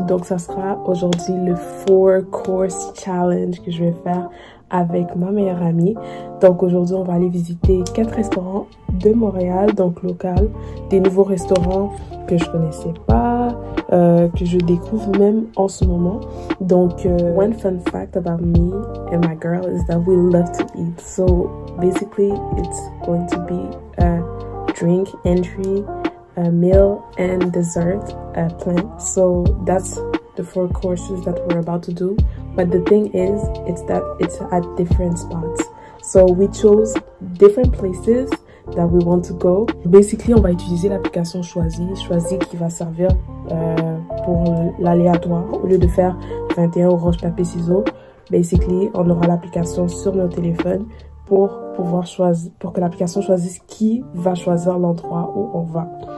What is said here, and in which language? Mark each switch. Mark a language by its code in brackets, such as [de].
[fr] Donc ça sera aujourd'hui le 4-course challenge que je vais faire avec ma meilleure amie. Donc aujourd'hui, on va aller visiter 4 restaurants de Montréal, donc local, des nouveaux restaurants que je connaissais pas, que je découvre même en ce moment. [en] Donc, one fun fact about me and my girl is that we love to eat. So, basically, it's going to be a drink, entry, a meal, and dessert plan. So, that's the 4 courses that we're about to do. But the thing is, it's that it's at different spots. So, we chose different places that we want to go. [fr] Basically, on va utiliser l'application Choisy qui va servir pour l'aléatoire. Au lieu de faire 21 au roche, papier, ciseaux, basically, on aura l'application sur nos téléphones pour pouvoir choisir, pour que l'application choisisse qui va choisir l'endroit où on va.